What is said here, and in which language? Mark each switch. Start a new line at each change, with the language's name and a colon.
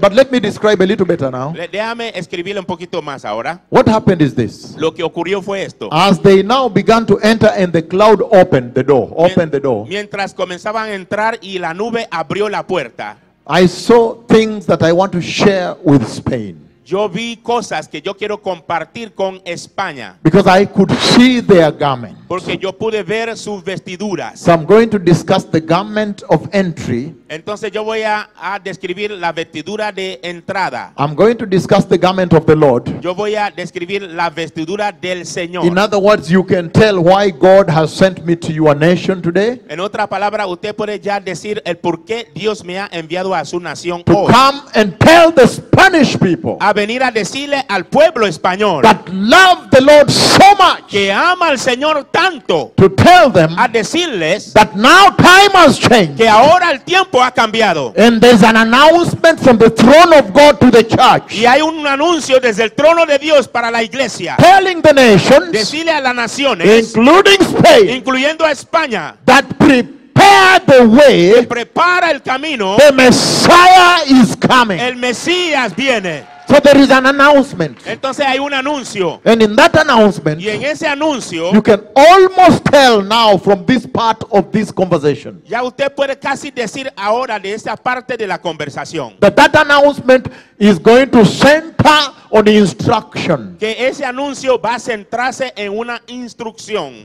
English: But let me describe a little better now.
Spanish: Déjame escribirle un poquito más ahora.
English: What happened is this.
Spanish: Lo que ocurrió fue esto.
English: As they now began to enter and the cloud opened the door.
Spanish: Mientras comenzaban a entrar y la nube abrió la puerta.
English: I saw things that I want to share with Spain.
Spanish: Yo vi cosas que yo quiero compartir con España.
English: Because I could see their garments.
Spanish: Porque yo pude ver sus vestiduras.
English: So I'm going to discuss the garment of entry.
Spanish: Entonces yo voy a describir la vestidura de entrada.
English: I'm going to discuss the garment of the Lord.
Spanish: Yo voy a describir la vestidura del Señor.
English: In other words, you can tell why God has sent me to your nation today.
Spanish: En otra palabra, usted puede ya decir el por qué Dios me ha enviado a su nación
English: to
Spanish: hoy.
English: Come and tell the Spanish people.
Spanish: A venir a decirle al pueblo español.
English: That love the Lord so much.
Spanish: Que ama al Señor tanto.
English: To tell them.
Spanish: A decirles.
English: That now time has changed.
Spanish: Que ahora el tiempo ha cambiado.
English: And there's an announcement from the throne of God to the church.
Spanish: Y hay un anuncio desde el trono de Dios para la iglesia.
English: Telling the nations.
Spanish: Decirle a las naciones.
English: Including Spain.
Spanish: Incluyendo a España.
English: That prepare the way.
Spanish: Prepara el camino.
English: The Messiah is coming.
Spanish: El Mesías viene.
English: So there is an announcement.
Spanish: Entonces hay un anuncio.
English: And in that announcement,
Spanish: y en ese anuncio,
English: you can almost tell now from this part of this conversation.
Spanish: Ya usted puede casi decir ahora de esa parte de la conversación.
English: That announcement is going to center on instruction.
Spanish: Que ese anuncio va a centrarse en una instrucción.